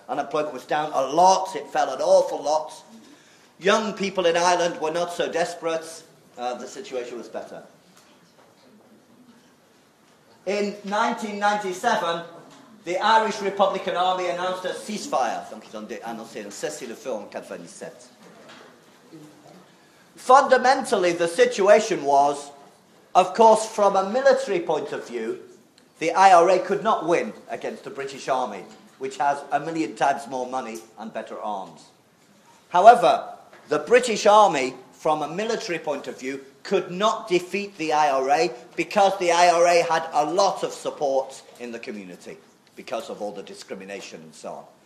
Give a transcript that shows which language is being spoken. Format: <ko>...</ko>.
<en>Unemployment was down a lot. It fell an awful lot. Young people in Ireland were not so desperate. The situation was better. In 1997, the Irish Republican Army announced a ceasefire.</en> <fr>Donc, ils ont annoncé un cessez-le-feu en 97.</fr> <en>Fundamentally, the situation was, of course, from a military point of view, the IRA could not win against the British Army, which has a million times more money and better arms. However, the British Army, from a military point of view, could not defeat the IRA because the IRA had a lot of support in the community because of all the discrimination and so on.</en>